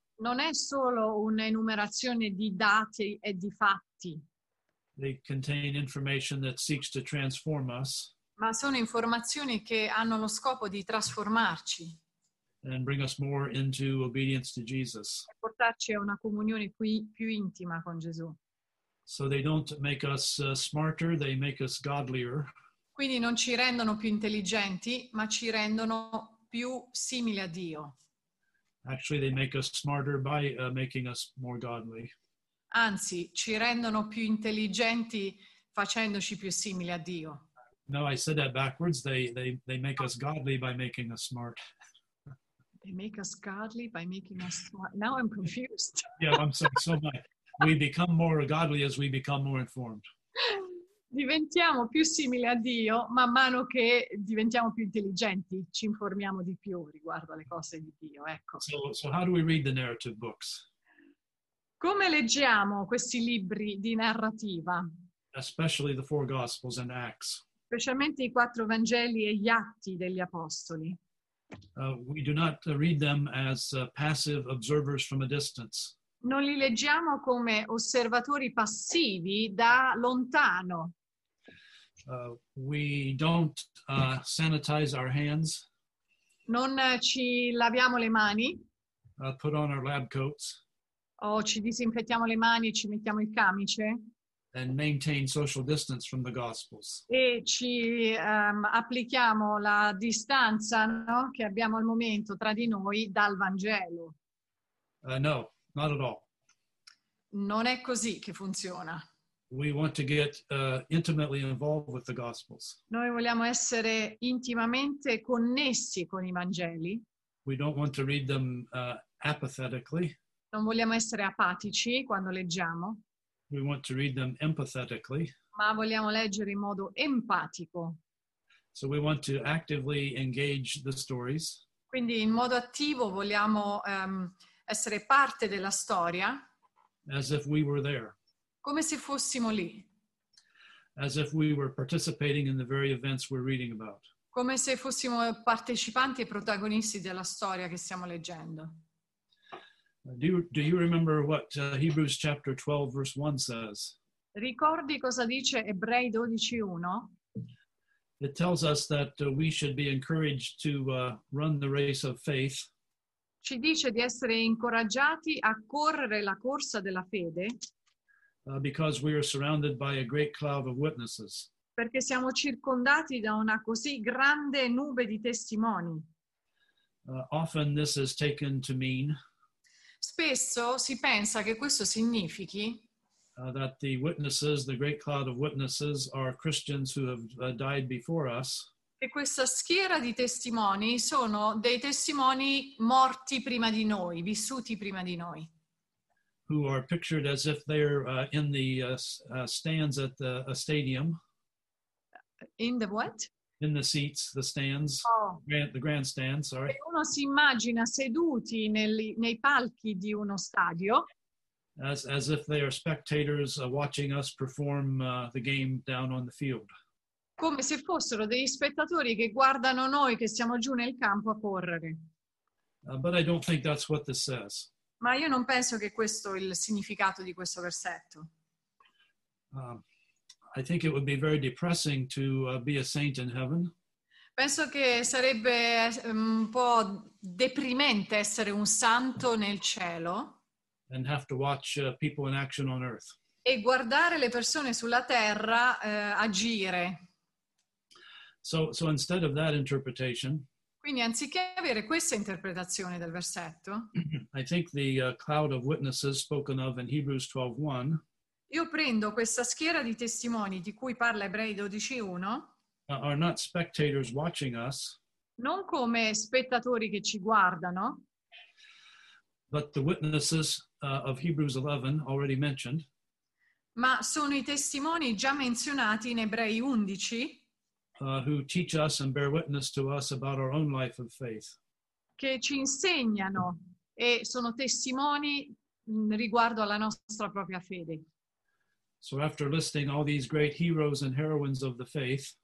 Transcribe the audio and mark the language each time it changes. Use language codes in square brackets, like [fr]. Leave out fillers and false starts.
[it] Non è solo un'enumerazione di dati e di fatti. [en] They contain information that seeks to transform us. [it] Ma sono informazioni che hanno lo scopo di trasformarci. [en] And bring us more into obedience to Jesus. [it] E portarci a una comunione più intima con Gesù. [en] So they don't make us smarter, they make us godlier. [it] Quindi non ci rendono più intelligenti, ma ci rendono più simili a Dio. [en] Actually, they make us smarter by making us more godly. [it] Anzi, ci rendono più intelligenti facendoci più simili a Dio. [en] No, I said that backwards. They make us godly by making us smart. They make us godly by making us smart. Now I'm confused. Yeah, I'm sorry. So much. We become more godly as we become more informed. [it] Diventiamo più simili a Dio man mano che diventiamo più intelligenti, ci informiamo di più riguardo alle cose di Dio, ecco. [en] So how do we read the narrative books? [it] Come leggiamo questi libri di narrativa? [en] Especially the four Gospels and Acts. [it] Specialmente i quattro Vangeli e gli Atti degli Apostoli. [en] We do not read them as passive observers from a distance. [it] Non li leggiamo come osservatori passivi da lontano. [en] We don't sanitize our hands. [it] Non ci laviamo le mani. [en] Put on our lab coats. [it] O ci disinfettiamo le mani e ci mettiamo il camice. [en] And maintain social distance from the Gospels. [it] E ci applichiamo la distanza, no, che abbiamo al momento tra di noi dal Vangelo. [en] No, not at all. [it] Non è così che funziona. [en] We want to get intimately involved with the Gospels. [it] Noi vogliamo essere intimamente connessi con i Vangeli. [en] We don't want to read them apathetically. [it] Non vogliamo essere apatici quando leggiamo. [en] We want to read them empathetically. [it] Ma vogliamo leggere in modo empatico. [en] So we want to actively engage the stories. [it] Quindi in modo attivo vogliamo essere parte della storia. [en] As if we were there. [it] Come se fossimo lì. [en] As if we were participating in the very events we're reading about. [it] Come se fossimo partecipanti e protagonisti della storia che stiamo leggendo. [en] Do you remember what Hebrews chapter 12 verse 1 says? [it] Ricordi cosa dice Ebrei 12:1? [en] It tells us that we should be encouraged to run the race of faith. [it] Ci dice di essere incoraggiati a correre la corsa della fede. [en] Because we are surrounded by a great cloud of witnesses. [it] Perché siamo circondati da una così grande nube di testimoni. [en] Often this is taken to mean. [it] Spesso si pensa che questo significhi [en] that the witnesses, the great cloud of witnesses, are Christians who have died before us. [it] Che questa schiera di testimoni sono dei testimoni morti prima di noi, vissuti prima di noi. [en] Who are pictured as if they're in the stands at the a stadium. In the what? In the seats, the stands, the grandstand, sorry. [it] Che uno si immagina seduti nei palchi di uno stadio. [en] As if they are spectators watching us perform the game down on the field. [it] come se fossero degli spettatori che guardano noi che stiamo giù nel campo a correre. [en] But I don't think that's what this says. [it] Ma io non penso che questo sia il significato di questo versetto. [en] I think it would be very depressing to be a saint in heaven. [it] Penso che sarebbe un po' deprimente essere un santo nel cielo. [en] And have to watch people in action on earth. [it] E guardare le persone sulla terra agire. [en] So instead of that interpretation. [it] Quindi anziché avere questa interpretazione del versetto. [en] I think the cloud of witnesses spoken of in Hebrews 12:1. [it] Io prendo questa schiera di testimoni di cui parla Ebrei 12:1. [en] Are not spectators watching us, [it] non come spettatori che ci guardano, [en] but the witnesses of Hebrews 11 already mentioned, [it] ma sono i testimoni già menzionati in Ebrei 11, [en] who teach us and bear witness to us about our own life of faith, [it] che ci insegnano e sono testimoni riguardo alla nostra propria fede. [en] So after listing all these great heroes and heroines of the faith,